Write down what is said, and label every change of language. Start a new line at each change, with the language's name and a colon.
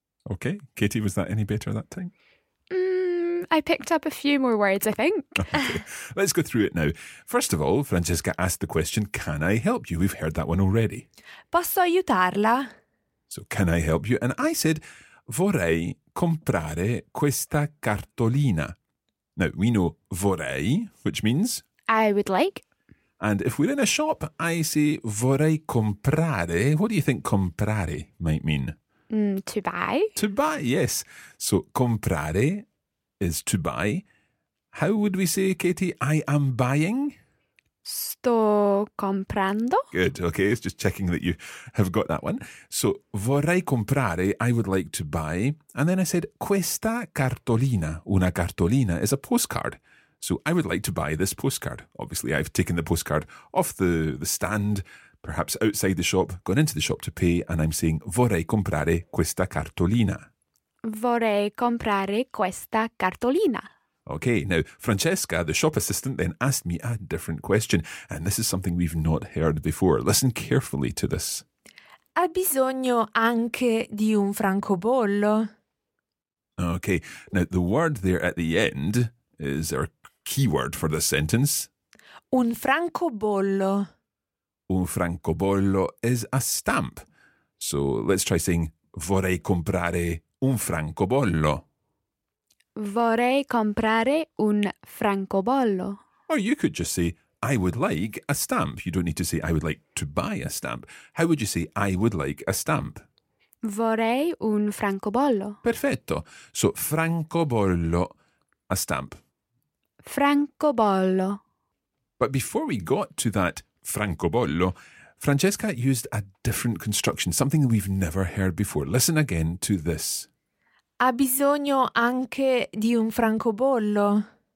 English: Okay, Katie, was that any better that time? I picked up a few more words, I think. Okay, let's go through it now. First of all, Francesca asked the question, can I help you? We've heard that one already.
Italian: Posso aiutarla?
English: So, can I help you? And I said,
Italian: vorrei comprare questa cartolina.
English: Now, we know vorrei, which means? I would like. And if we're in a shop, I say,
Italian: vorrei comprare.
English: What do you think comprare might mean? To buy. To buy, yes. So, comprare is to buy. How would we say, Katie, I am buying?
Italian: Sto comprando.
English: Good, okay. It's just checking that you have got that one. So,
Italian: vorrei comprare,
English: I would like to buy. And then I said,
Italian: questa cartolina, una cartolina,
English: is a postcard. So, I would like to buy this postcard. Obviously, I've taken the postcard off the stand, perhaps outside the shop, gone into the shop to pay, and I'm saying,
Italian: vorrei comprare questa cartolina. Vorrei comprare questa cartolina.
English: Okay, now, Francesca, the shop assistant, then asked me a different question, and this is something we've not heard before. Listen carefully to this.
Italian: Ha bisogno anche di un francobollo.
English: Okay, now, the word there at the end is our keyword for this sentence.
Italian: Un francobollo.
English: Un francobollo is a stamp. So let's try saying,
Italian: vorrei comprare un francobollo. Vorrei comprare un francobollo.
English: Or you could just say, I would like a stamp. You don't need to say, I would like to buy a stamp. How would you say, I would like a stamp?
Italian: Vorrei un francobollo. Perfetto.
English: So francobollo, a stamp.
Italian: Francobollo.
English: But before we got to that francobollo, Francesca used a different construction, something that we've never heard before. Listen again to this.
Italian: Ha bisogno anche di un francobollo.